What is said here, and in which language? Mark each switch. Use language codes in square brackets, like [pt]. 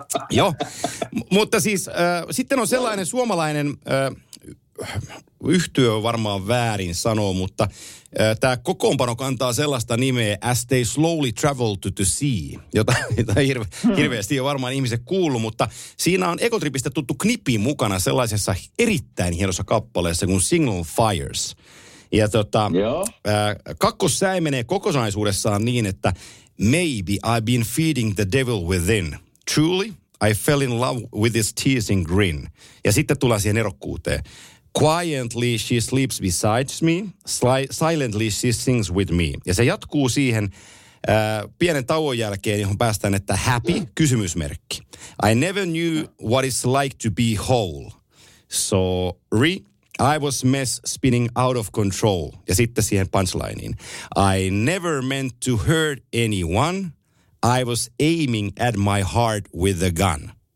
[fi] Joo, mutta siis sitten on sellainen suomalainen, yhtyö on varmaan väärin sanoa, mutta tämä kokoonpano kantaa sellaista nimeä As They Slowly Travel to the Sea, jota hirveästi on varmaan ihmiset kuullut, mutta siinä on Ekotripistä tuttu Knipi mukana sellaisessa erittäin hienossa kappaleessa kuin Single Fires. Ja tota, kakkossää menee kokonaisuudessaan niin, että [en] Maybe I've been feeding the devil within. Truly, I fell in love with his teasing grin. [fi] Ja sitten tullaan siihen erokkuuteen. [en] Quietly she sleeps beside me, silently she sings with me. [fi] Ja se jatkuu siihen pienen tauon jälkeen, johon päästään, että happy, kysymysmerkki. [en] I never knew what it's like to be whole. Sorry, I was mess spinning out of control. [fi] Ja sitten siihen punchlineen. [en] I never meant to hurt anyone. I was aiming at my heart with a gun.